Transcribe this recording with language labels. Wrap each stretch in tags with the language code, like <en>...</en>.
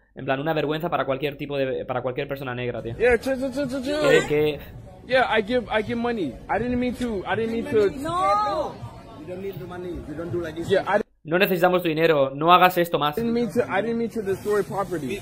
<es>En plan, una vergüenza para cualquier tipo de, para cualquier persona negra, tío.</es> <en>Yeah, ch Que... Yeah, I give money, I didn't mean to. No. You don't need the money, you don't do like this. Yeah,</en> <es>No necesitamos tu dinero, no hagas esto más.</es> <en>I didn't mean to destroy property.</en>